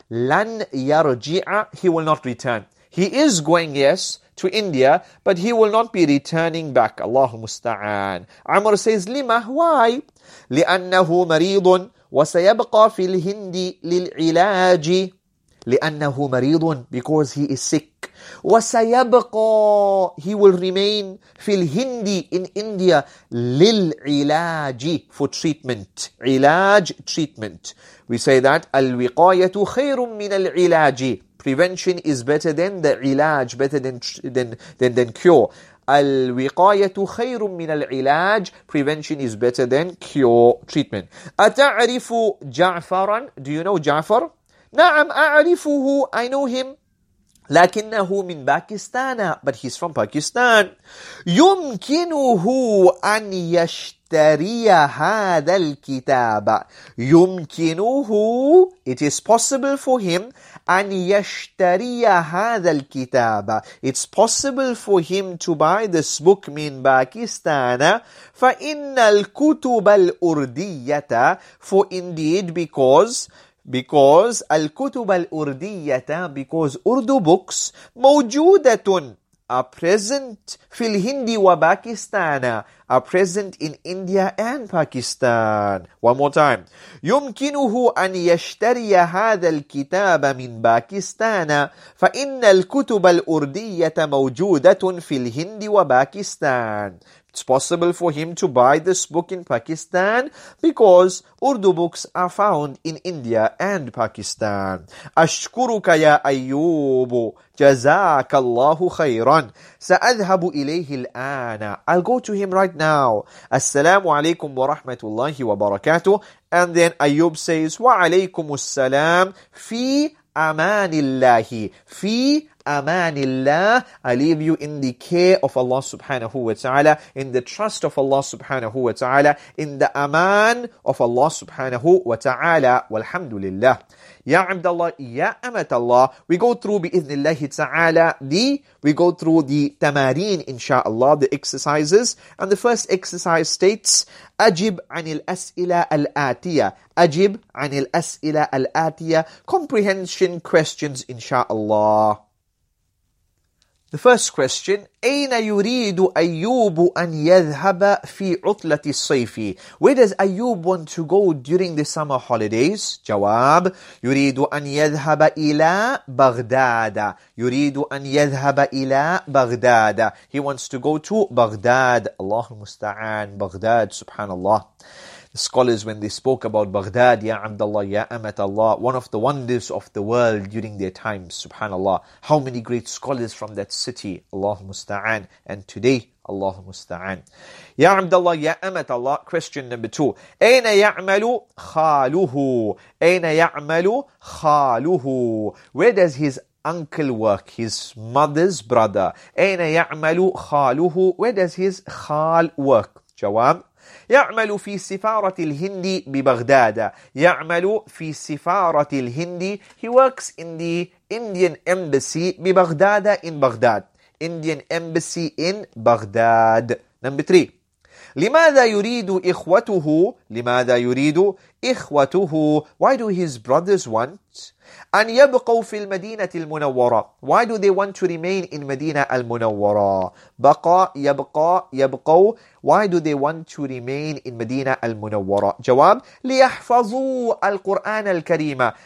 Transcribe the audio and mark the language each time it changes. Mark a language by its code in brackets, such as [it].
[ar] لن يرجع. [en] He will not return. He is going, yes, to India, but he will not be returning back. [ar] Allahu musta'an. [en] Amr says, lima, why? [ar] لِأَنَّهُ مَرِيضٌ وَسَيَبْقَى فِي الْهِنْدِ لِلْعِلَاجِ. لِأَنَّهُ مَرِيضٌ, [en] because he is sick. [ar] وَسَيَبْقَى, [en] he will remain, [ar] فِي الْهِنْدِ, [en] in India, [ar] لِلْعِلَاجِ, [en] for treatment. عِلَاج, treatment. We say that, [ar] الْوِقَايَةُ خَيْرٌ مِنَ الْعِلَاجِ. [en] Prevention is better than the ilaj, better than cure. [ar] Al-wiqayatu khayrun min al-ilaj. [en] Prevention is better than cure, treatment. [ar] Ata'arifu Ja'faran? [en] Do you know Ja'far? [ar] Na'am, a'arifuhu. [en] I know him. [ar] Lakinnahu min Pakistan. [en] But he's from Pakistan. [ar] Yumkinuhu an yashtariya hadha al-kitab. [en] Yumkinuhu. It is possible for him. [ar] أن يشتري هذا الكتاب. [en] It's possible for him to buy this book [ar] من باكستان. فإن الكتب الأردية. [en] For indeed, because [ar] الكتب الأردية, [en] because Urdu books, [ar] موجودة, [en] are present, [ar] في الهند وباكستان, [en] are present in India and Pakistan. One more time. [ar] يمكنه أن يشتري هذا الكتاب من باكستان فإن الكتب الأردية موجودة في الهند وباكستان. [en] It's possible for him to buy this book in Pakistan because Urdu books are found in India and Pakistan. [ar] أشكرك يا أيوب. جزاك الله خيرا. سأذهب إليه الآن. [en] I'll go to him right now. [ar] السلام عليكم ورحمة الله وبركاته. [en] And then Ayub says, [ar] وعليكم السلام. في أمان الله. في أمان الله. [en] I leave you in the care of Allah subhanahu wa ta'ala, in the trust of Allah subhanahu wa ta'ala, in the aman of Allah subhanahu wa ta'ala. [ar] والحمد لله. يا عبد الله, يا أمة الله. [en] We go through [ar] بإذن الله تعالى [en] the تمارين inshallah, the exercises. And the first exercise states, [ar] أجب عن الأسئلة الآتية. أجب عن الأسئلة الآتية. [en] Comprehension questions inshallah. The first question, [ar] أين يريد أيوب أن يذهب في عطلة الصيف? [en] Where does Ayub want to go during the summer holidays? [ar] جواب, يريد أن يذهب إلى بغداد. يريد أن يذهب إلى بغداد. [en] He wants to go to بغداد. [ar] الله المستعان, بغداد, سبحان الله. [en] Scholars, when they spoke about Baghdad, Ya Abdullah, Ya Amat Allah, one of the wonders of the world during their time, subhanAllah. How many great scholars from that city, Allah Musta'an, and today, Allah Musta'an. [ar] Ya Abdullah, Ya Amat Allah, [en] question number two. [ar] Aina ya'malu khaluhu? Aina ya'malu khaluhu? [en] Where does his uncle work, his mother's brother? [ar] Aina ya'malu khaluhu? [en] Where does his khal work? [ar] Jawab. يعمل في سفارة الهند ببغداد. يعمل في سفارة الهند. [en] He works in the Indian embassy [ar] ببغداد [en] in Baghdad. Indian embassy in Baghdad. Number three. [ar] لماذا يريد إخوته? لماذا يريد إخوته? [en] Why do his brothers want? [ar] أن يبقوا في المدينة المنورة. [en] Why do they want to remain in مدينة المنورة? [ar] بقى يبقى يبقوا. [en] Why do they want to remain in مدينة المنورة? [ar] جواب, ليحفظوا القرآن الكريم.